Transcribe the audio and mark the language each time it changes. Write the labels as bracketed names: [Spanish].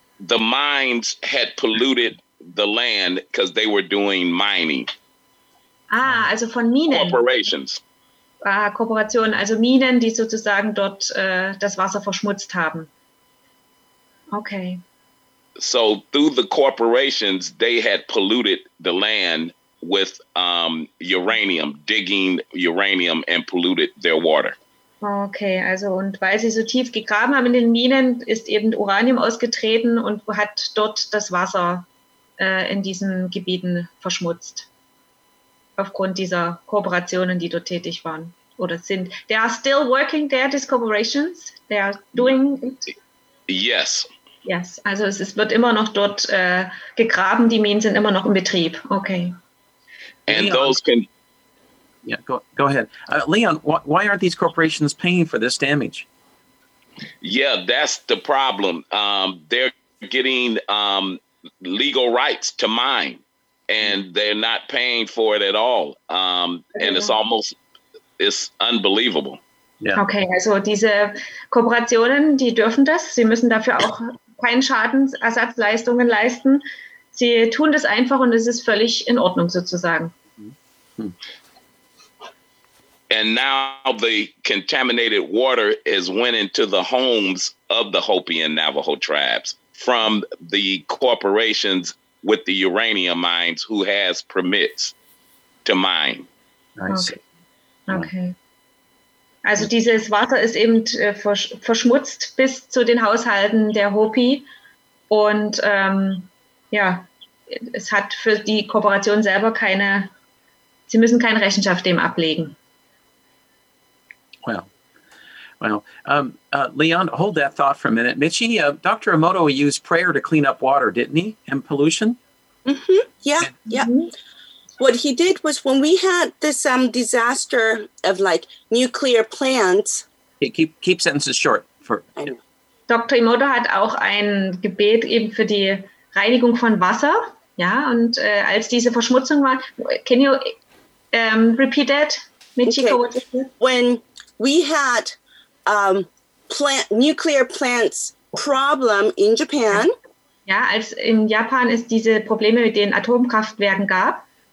[English] The mines had polluted the land because they were doing mining. [German] Ah, also von Minen. [English] Corporations. [German] Ah, Kooperationen, also Minen, die sozusagen dort das Wasser verschmutzt haben. [English] Okay. So through the corporations, they had polluted the land with uranium, digging uranium and polluted their water. [German] Okay, also und weil sie so tief gegraben haben in den Minen, ist eben Uranium ausgetreten und hat dort das Wasser in diesen Gebieten verschmutzt. Aufgrund dieser Kooperationen, die dort tätig waren oder sind. [English] They are still working there, these corporations? They are doing it? Yes. [German] Yes, also es wird immer noch dort gegraben, die Minen sind immer noch in Betrieb. [English] Okay. And those can... Yeah, go ahead. Leon, why aren't these corporations paying for this damage? Yeah, that's the problem. They're getting legal rights to mine, and they're not paying for it at all. And it's almost, it's unbelievable. [German] Yeah. Okay, also diese Kooperationen, die dürfen das. Sie müssen dafür auch keinen Schadensersatzleistungen leisten. Sie tun das einfach und es ist völlig in Ordnung sozusagen. [English] And now the contaminated water is went into the homes of the Hopi and Navajo tribes from the corporations with the uranium mines who has permits to mine. Okay. [German] Also dieses Wasser ist eben verschmutzt bis zu den Haushalten der Hopi und ja, es hat für die Kooperation selber keine, sie müssen keine Rechenschaft dem ablegen. [English] Well, Leon, hold that thought for a minute. Michi, Dr. Emoto used prayer to clean up water, didn't he, and pollution? Mm-hmm. Yeah, yeah. Mm-hmm. What he did was when we had this disaster of, like, nuclear plants. Hey, keep sentences short. [German] Dr. Emoto hat auch ein Gebet eben für die Reinigung von Wasser. Ja, und als diese Verschmutzung war, [English] can you repeat that, Michi? Okay. When we had nuclear plants problem in Japan. [German] Ja, als in Japan es diese Probleme mit den Atomkraftwerken gab.